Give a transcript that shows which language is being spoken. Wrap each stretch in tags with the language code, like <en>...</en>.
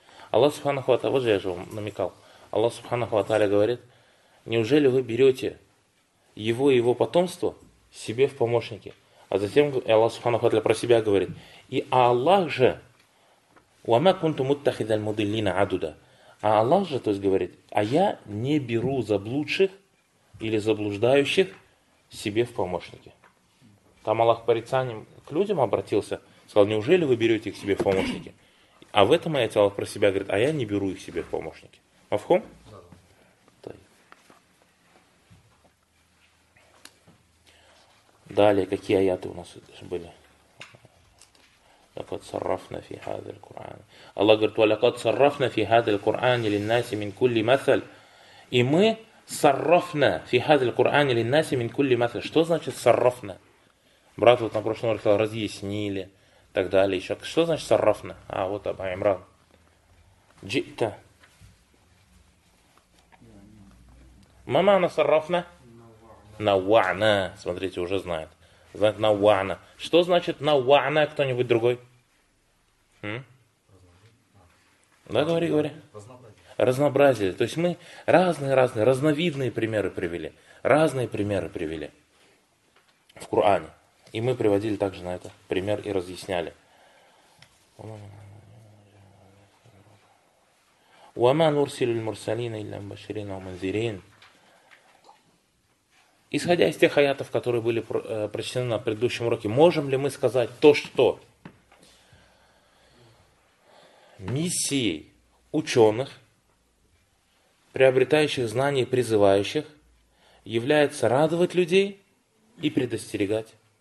<ru>Аллах Субханаху ва Тааля, вот же я же вам намекал. Аллах Субханаху ва Тааля говорит, неужели вы берете его и его потомство себе в помощники? А затем Аллах Субханаху ва Тааля про себя говорит. И Аллах же</ru> <ar>وَمَا كُنْتُ مُتَّخِذَ الْمُضِلِّينَ عَدُدًا.</ar> <ru>А Аллах же, то есть, говорит, а я не беру заблудших или заблуждающих себе в помощники. Там Аллах порицанием к людям обратился, сказал, неужели вы берете их себе в помощники? А в этом аяте Аллах про себя говорит, а я не беру их себе в помощники. Мафхум? Да. Далее, какие аяты у нас были?</ru> <ar>لقد صرفنا في هذا القرآن.</ar> <ru>Аллах говорит,</ru> <ar>ولقد صرفنا في هذا القرآن للناس من كل مثل.</ar> <ru>И мы</ru> <ar>صرفنا في هذا القرآن للناس من كل مثل.</ar> <ru>Что значит صرفنا? Брат вот на прошлом уроке сказал, разъяснили, так далее. Еще. Что значит صرفنا? А вот Абу Имран.</ru> <ar>جئت. ما معنى صرفنا? نوعنا.</ar> <ru>Смотрите, уже знает. Знает نوعنا. Что значит نوعنا? Кто-нибудь другой? Да, говори. Разнообразие. То есть мы разные, разновидные примеры привели. Разные примеры привели в Коране. И мы приводили также на это пример и разъясняли.</ru> <ar>وما نرسل المرسلين إلا مبشرين ومنذرين.</ar> <ru>Исходя из тех аятов, которые были прочитаны на предыдущем уроке, можем ли мы сказать то, что миссией ученых, приобретающих знания и призывающих, является радовать людей и предостерегать?</ru>